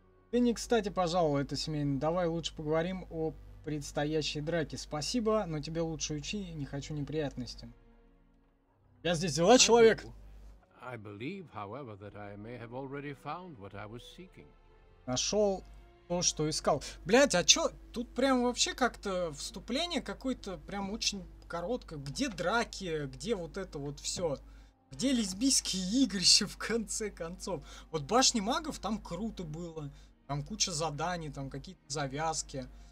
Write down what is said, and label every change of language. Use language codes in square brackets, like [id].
[ru] Пенни, кстати, пожалуй, это семейный. Давай лучше поговорим о предстоящей драке. Спасибо, но тебе лучше уйти, не хочу неприятностей. Я здесь дела, человек. [en] I believe, however, that I may have already found what I was seeking. [ru] Нашел то, что искал. Блять, а чё? Тут прям вообще как-то вступление какое-то прям очень короткое. Где драки? Где вот это вот все? Где лесбийские игрища в конце концов? Вот башни магов там круто было. Там куча заданий, там какие-то завязки.